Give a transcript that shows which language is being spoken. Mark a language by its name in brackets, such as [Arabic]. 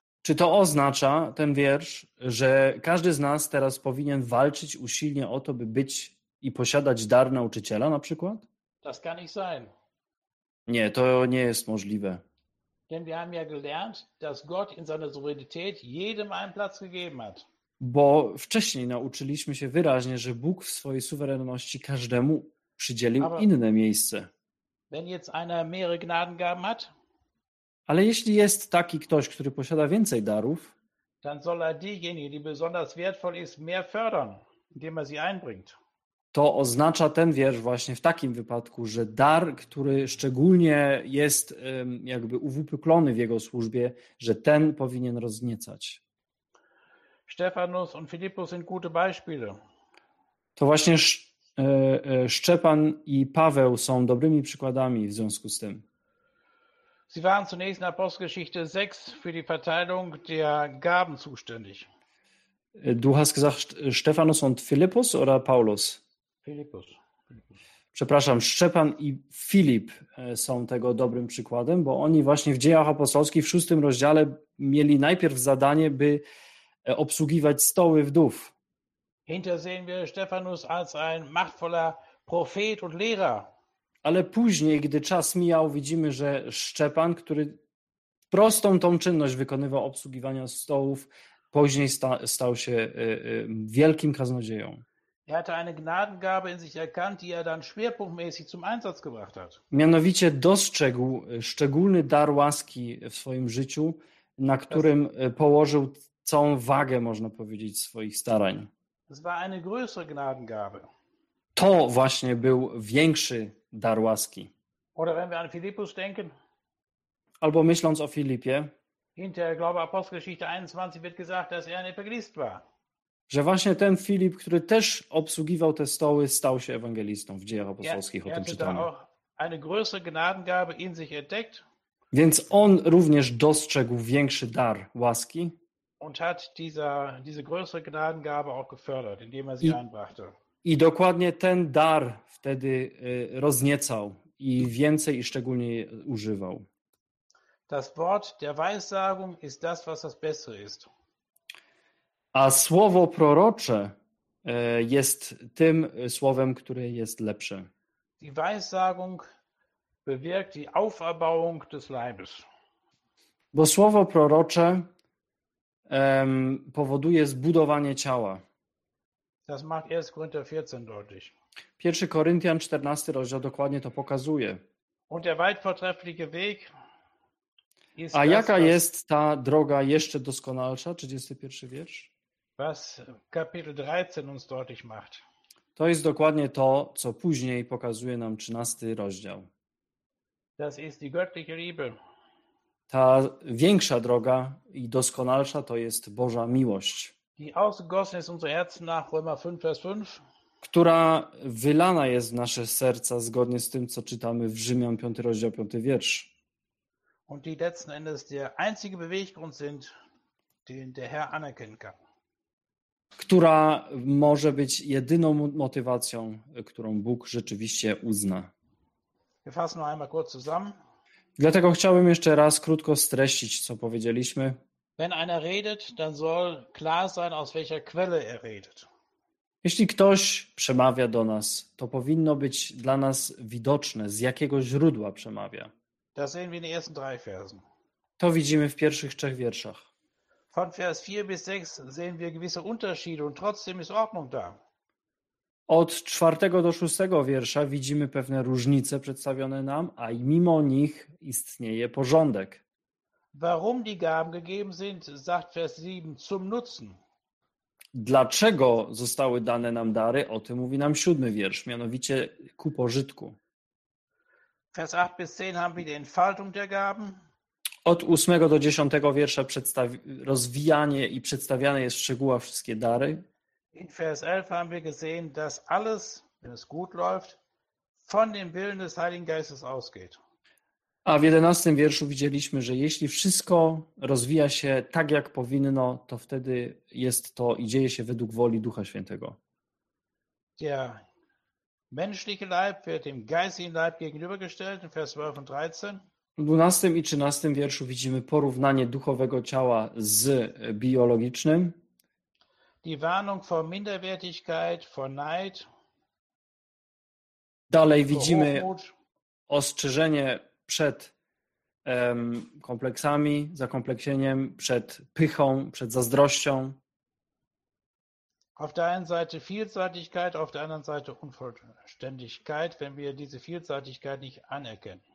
[Polish] Czy to oznacza, ten wiersz, że każdy z nas teraz powinien walczyć usilnie o to, by być i posiadać dar nauczyciela na przykład? [German] Das kann nicht sein. [Polish] Nie, to nie jest możliwe. [German] Denn wir haben ja gelernt, dass Gott in seiner Souveränität jedem einen Platz gegeben hat. [Polish] Bo wcześniej nauczyliśmy się wyraźnie, że Bóg w swojej suwerenności każdemu przydzielił [German] Aber [Polish] inne miejsce. [German] Wenn jetzt einer mehrere Gnadengaben hat, [Polish] ale jeśli jest taki ktoś, który posiada więcej darów, [German] dann soll er diejenige, die besonders wertvoll ist, mehr fördern, indem er sie einbringt. [Polish] To oznacza ten wiersz właśnie w takim wypadku, że dar, który szczególnie jest jakby uwypuklony w jego służbie, że ten powinien rozniecać. [German] Stephanus und Philippus sind gute Beispiele. [Polish] To właśnie Szczepan i Paweł są dobrymi przykładami w związku z tym. [German] Sie waren zunächst in Apostelgeschichte 6 für die Verteilung der Gaben zuständig. Du hast gesagt Stephanus und Philippus oder Paulus? Philippus. [Polish] Przepraszam, Szczepan i Filip są tego dobrym przykładem, bo oni właśnie w Dziejach Apostolskich w 6 rozdziale mieli najpierw zadanie, by obsługiwać stoły wdów. [German] Hinter sehen wir Stephanus als ein machtvoller Prophet und Lehrer. [Polish] Ale później, gdy czas mijał, widzimy, że Szczepan, który prostą tą czynność wykonywał obsługiwania stołów, później stał się wielkim kaznodzieją. [German] Er hatte eine Gnadengabe in sich erkannt, die er dann schwerpunktmäßig zum Einsatz gebracht hat. [Polish] Mianowicie dostrzegł szczególny dar łaski w swoim życiu, na którym położył całą wagę, można powiedzieć, swoich starań. [German] Es war eine größere Gnadengabe. [Polish] To właśnie był większy dar łaski. [German] Oder wenn wir an Philippus denken. [Polish] Albo myśląc o Filipie. [German] Hinterher, glaube Apostelgeschichte 21 wird gesagt, dass er ein Evangelist war. [Polish] Że właśnie ten Filip, który też obsługiwał te stoły, stał się ewangelistą w Dziejach Apostolskich, o tym czytamy. [German] Eine größere Gnadengabe in sich entdeckt. [Polish] Więc on również dostrzegł większy dar łaski. [German] Und hat diese größere Gnadengabe auch gefördert, indem er sie einbrachte. [Polish] I dokładnie ten dar wtedy rozniecał i więcej i szczególnie używał. [German] Das Wort der Weissagung ist das, was das Bessere ist. [Polish] A słowo prorocze jest tym słowem, które jest lepsze. [German] Die Weissagung bewirkt die Auferbauung des Leibes. [Polish] Bo słowo prorocze powoduje zbudowanie ciała. [German] Das macht 1. Korinther 14 deutlich. [Polish] 1. Koryntian 14 rozdział dokładnie to pokazuje. [German] Und der weit vortreffliche Weg ist [Polish] A jaka das, jest ta droga jeszcze doskonalsza? 31. wiersz. [German] Was Kapitel 13 uns deutlich macht. [Polish] To jest dokładnie to, co później pokazuje nam 13 rozdział. [German] Das ist die göttliche Liebe. [Polish] Ta większa droga i doskonalsza to jest Boża miłość. [German] Die ausgegossen ist unser Herz nach Römer 5, Vers 5. [Polish] Która wylana jest w nasze serca zgodnie z tym, co czytamy w Rzymian 5, rozdział 5, wiersz. [German] Und die letzten Endes der einzige Beweggrund sind, den der Herr anerkennen kann. [Polish] Która może być jedyną motywacją, którą Bóg rzeczywiście uzna. [German] Wir fassen noch einmal kurz zusammen. [Polish] Dlatego chciałbym jeszcze raz krótko streścić, co powiedzieliśmy. [German] Wenn einer redet, dann soll klar sein, aus welcher Quelle er redet. [Polish] Jeśli ktoś przemawia do nas, to powinno być dla nas widoczne, z jakiego źródła przemawia. [German] Das sehen wir in den ersten drei Versen. [Polish] To widzimy w pierwszych trzech wierszach. [German] Von Vers 4 bis 6 sehen wir gewisse Unterschiede und trotzdem ist Ordnung da. [Polish] Od 4 do 6 wiersza widzimy pewne różnice przedstawione nam, a i mimo nich istnieje porządek. [German] Warum die Gaben gegeben sind, sagt Vers 7, zum Nutzen. [Polish] Dlaczego zostały dane nam dary, o tym mówi nam 7 wiersz, mianowicie ku pożytku. [German] Vers 8 bis 10 haben wir die Entfaltung der Gaben. [Polish] Od 8 do 10 wiersza rozwijanie i przedstawiane jest w szczegółach wszystkie dary. [German] In Vers 11 haben wir gesehen, dass alles, wenn es gut läuft, von dem Willen des Heiligen Geistes ausgeht. [Polish] A w 11 wierszu widzieliśmy, że jeśli wszystko rozwija się tak, jak powinno, to wtedy jest to i dzieje się według woli Ducha Świętego. [German] Der menschliche Leib wird dem geistigen Leib gegenübergestellt, in Vers 12 und 13. [Polish] W 12 i 13 wierszu widzimy porównanie duchowego ciała z biologicznym. [German] Die Warnung vor Minderwertigkeit, vor Neid. [Polish] Dalej widzimy ostrzeżenie przed kompleksami, zakompleksieniem, przed pychą, przed zazdrością. [German] Auf der einen Seite Vielseitigkeit, auf der anderen Seite Unvollständigkeit, wenn wir diese Vielseitigkeit nicht anerkennen.